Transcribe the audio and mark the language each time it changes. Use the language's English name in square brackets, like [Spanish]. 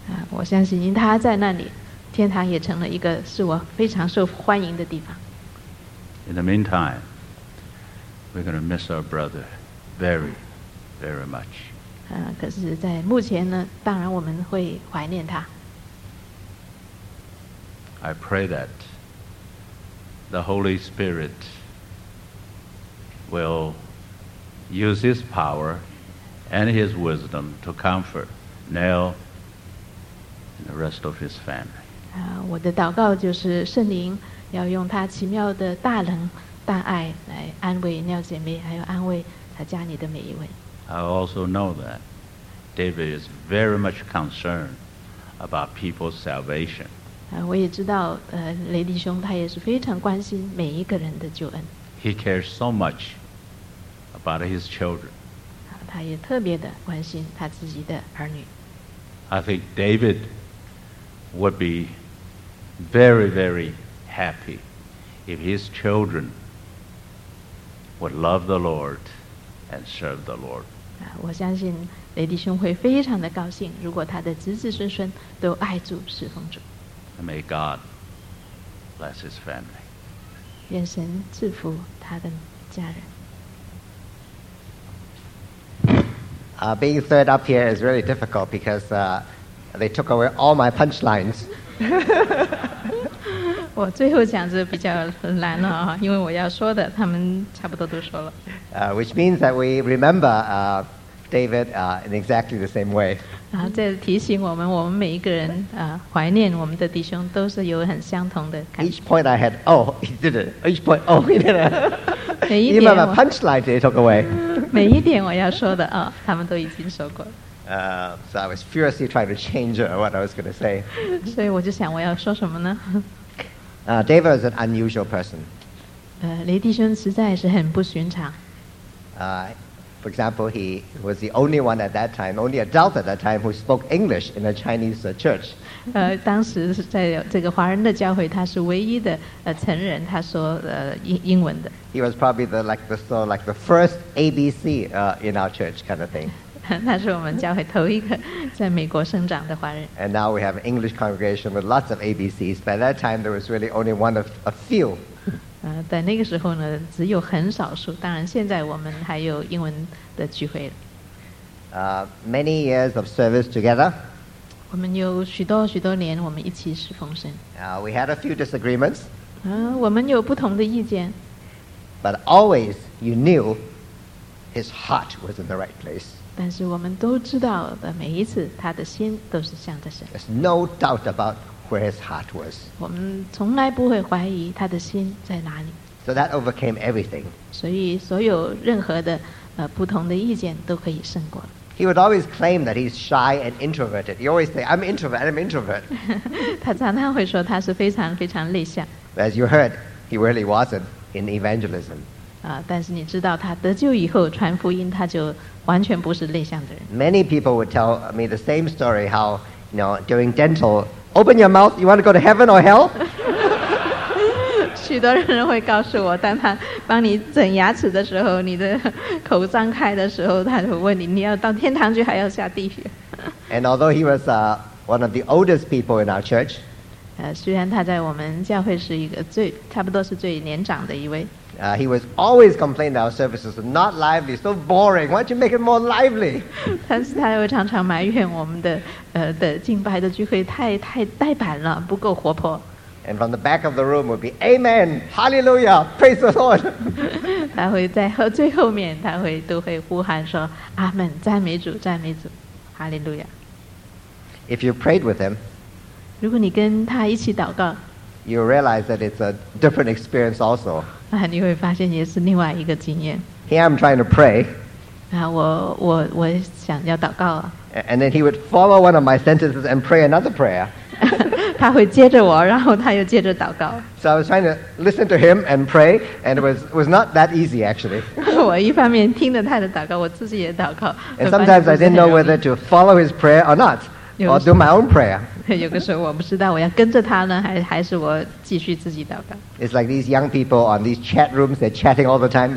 [Chinese] 我相信因他在那里，天堂也成了一个是我非常受欢迎的地方。 [English] In the meantime, we're going to miss our brother very, very much. [Chinese] 可是在目前呢，当然我们会怀念他。 [English] I pray that the Holy Spirit will use his power and his wisdom to comfort Nell and the rest of his family. [Chinese] 我的祷告就是圣灵要用他奇妙的大能大爱来安慰Nell姐妹，还有安慰他家里的每一位。 [English] I also know that David is very much concerned about people's salvation. [Chinese] 我也知道，雷弟兄他也是非常关心每一个人的救恩。 [English] He cares so much about his children. [Chinese] 他也特别的关心他自己的儿女。 [English] I think David would be very, very happy if his children would love the Lord and serve the Lord. [Chinese] 我相信雷弟兄会非常的高兴，如果他的子子孙孙都爱主、侍奉主。 [English] May God bless his family. [Chinese] 愿神赐福他的家人。 [English] Being third up here is really difficult because they took away all my punchlines. [Chinese] 我最后讲的比较难了，因为我要说的他们差不多都说了。 [English] Which means that we remember David in exactly the same way. [Chinese] 这提醒我们，我们每一个人怀念我们的弟兄都是有很相同的感觉。 [English] Each point I had, oh, he did it. Each point, oh, he did it. [Chinese] 每一点 [English] Even my punchline they took away. [Chinese] 每一点我要说的啊，他们都已经说过。 [English] So I was furiously trying to change what I was going to say. [Chinese] 所以我就想我要说什么呢？ [English] David is an unusual person. [Chinese] 雷弟兄实在是很不寻常。 [English] For example, he was the only one at that time, only adult at that time, who spoke English in a Chinese church. [Chinese] 当时在这个华人的教会，他是唯一的成人，他说英文的。 [English] He was probably the first ABC in our church kind of thing. [Chinese] 他是我们教会头一个在美国生长的华人。 [English] And now we have an English congregation with lots of ABCs. By that time, there was really only one of a few. [Chinese] 在那个时候呢，只有很少数。当然，现在我们还有英文的聚会。 [English] Many years of service together. [Chinese] 我们有许多许多年，我们一起侍奉神。 [English] We had a few disagreements. [Chinese] 我们有不同的意见。 [English] But always, you knew his heart was in the right place. [Chinese] 但是我们都知道的，每一次他的心都是向着神。 [English] There's no doubt about where his heart was. [Chinese] 我们从来不会怀疑他的心在哪里。 [English] So that overcame everything. [Chinese] 所以所有任何的不同的意见都可以胜过。 [English] He would always claim that he's shy and introverted. He always say, "I'm introvert. I'm introvert." [Chinese] 他常常会说他是非常非常内向。 [English] But as you heard, he really wasn't. In evangelism, [Chinese] 但是你知道他得救以后传福音，他就完全不是内向的人。 [English] Many people would tell me the same story. How, you know, during dental, open your mouth. You want to go to heaven or hell? [Chinese] 许多人会告诉我，当他帮你整牙齿的时候，你的口张开的时候，他就问你，你要到天堂去，还要下地狱？ [English] And although he was one of the oldest people in our church. [Chinese] 虽然他在我们教会是一个最差不多是最年长的一位。 [English] He was always complaining that our services are not lively, so boring. Why don't you make it more lively? [Chinese] 但是他又常常埋怨我们的敬拜的聚会太呆板了，不够活泼。 [English] And from the back of the room would be, Amen, Hallelujah, Praise the Lord. [Chinese] 他会在最后面都会呼喊说, Amen, 赞美主, 赞美主, Hallelujah. [English] If you prayed with him, [Chinese] 如果你跟他一起祷告, [English] you realize that it's a different experience also. [Chinese] 你会发现也是另外一个经验。 [English] Here I'm trying to pray. [Chinese] 我想要祷告啊。 [English] And then he would follow one of my sentences and pray another prayer. [Chinese] 他会接着我, 然后他又接着祷告。 [English] So I was trying to listen to him and pray, and it was not that easy actually. [Chinese] 我一方面听着他的祷告, 我自己也祷告, [English] and sometimes I didn't know whether to follow his prayer or not, or do my own prayer. [Chinese] 有个时候我不知道我要跟着他呢, 还是我继续自己祷告。 [English] It's like these young people on these chat rooms, they're chatting all the time.